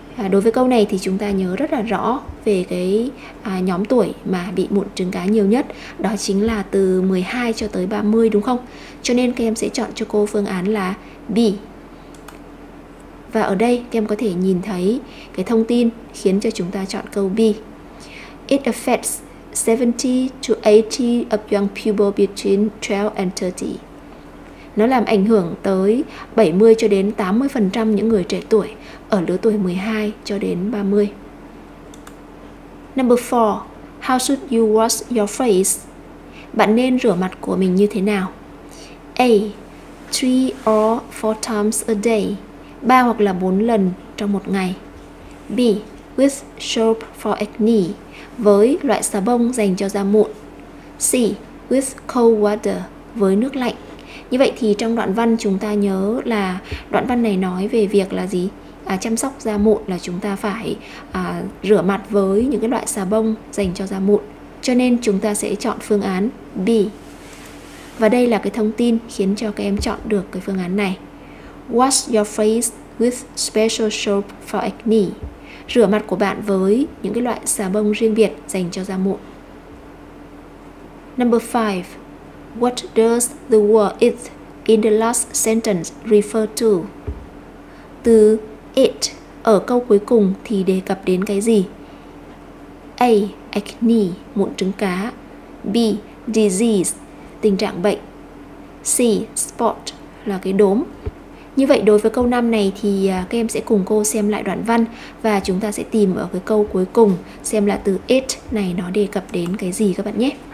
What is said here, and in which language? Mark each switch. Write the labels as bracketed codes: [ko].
[vi] Đối với câu này thì chúng ta nhớ rất là rõ về cái nhóm tuổi mà bị mụn trứng cá nhiều nhất. Đó chính là từ 12 cho tới 30, đúng không? Cho nên các em sẽ chọn cho cô phương án là B. Và ở đây các em có thể nhìn thấy cái thông tin khiến cho chúng ta chọn câu B. [en] It affects 70 to 80 of young people between 12 and 30. [vi] Nó làm ảnh hưởng tới 70 cho đến 80% những người trẻ tuổi ở lứa tuổi 12 cho đến 30. [en] Number 4. How should you wash your face? [vi] Bạn nên rửa mặt của mình như thế nào? A. [en] 3 or 4 times a day. [vi] 3 hoặc là 4 lần trong một ngày. B. [en] With soap for acne. [vi] Với loại xà bông dành cho da mụn. C. [en] With cold water. [vi] Với nước lạnh. Như vậy thì trong đoạn văn chúng ta nhớ là đoạn văn này nói về việc là gì? Chăm sóc da mụn là chúng ta phải rửa mặt với những cái loại xà bông dành cho da mụn. Cho nên chúng ta sẽ chọn phương án B. Và đây là cái thông tin khiến cho các em chọn được cái phương án này. [en] Wash your face with special soap for acne. [vi] Rửa mặt của bạn với những cái loại xà bông riêng biệt dành cho da mụn. [en] Number 5. What does the word it in the last sentence refer to? [vi] Từ it ở câu cuối cùng thì đề cập đến cái gì? A. Acne, mụn trứng cá. B. Disease, tình trạng bệnh. C. Spot, là cái đốm. Như vậy đối với câu 5 này thì các em sẽ cùng cô xem lại đoạn văn và chúng ta sẽ tìm ở cái câu cuối cùng xem là từ it này nó đề cập đến cái gì các bạn nhé.